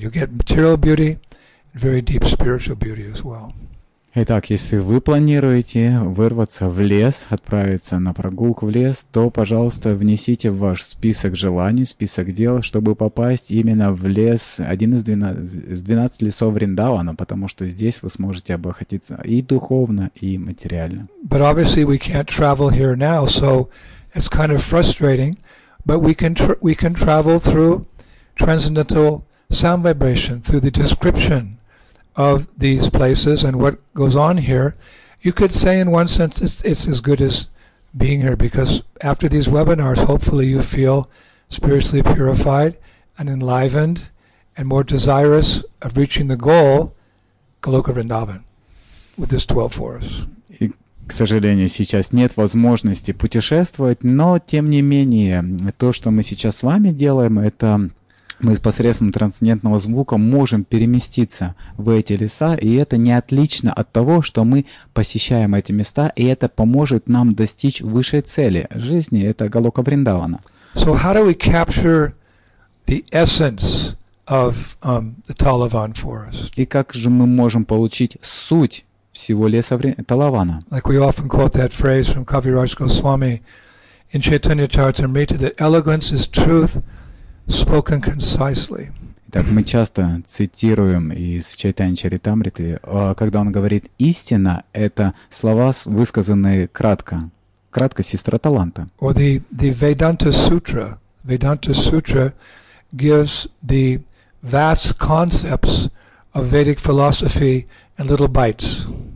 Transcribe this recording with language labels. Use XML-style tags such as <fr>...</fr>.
<en>You get material beauty and very deep spiritual beauty as well.</en> <ru>Итак, если вы планируете вырваться в лес, отправиться на прогулку в лес, то, пожалуйста, внесите в ваш список желаний, список дел, чтобы попасть именно в лес, один из 12 лесов Вриндавана, потому что здесь вы сможете обогатиться и духовно, и материально.</ru> <en>But obviously we can't travel here now, so it's kind of frustrating, but we can travel through transcendental sound vibration, through the description of these places and what goes on here, you could say in one sense it's as good as being here, because after these webinars, hopefully you feel spiritually purified and enlivened and more desirous of reaching the goal, Goloka Vrindavan, with this 12 forests.</en> <ru>К сожалению, сейчас нет возможности путешествовать, но тем не менее, то, что мы сейчас с вами делаем, это мы посредством трансцендентного звука можем переместиться в эти леса, и это не отлично от того, что мы посещаем эти места, и это поможет нам достичь высшей цели жизни, это Голока Вриндавана.</ru> <en>So how do we capture the essence of the Talavan forest?</en> <ru>И как же мы можем получить суть всего леса Талавана?</ru> <en>Like we often quote that phrase from Kaviraj Goswami in Chaitanya Charitamrita, that elegance is truth spoken concisely.</en> <ru>Так мы часто цитируем из Чайтанья Чаритамриты, когда он говорит: истина — это слова, высказанные кратко. Кратко — сестра таланта.</ru> <en>Or the Vedanta Sutra. Vedanta Sutra gives the vast concepts of Vedic philosophy in little bites.</en>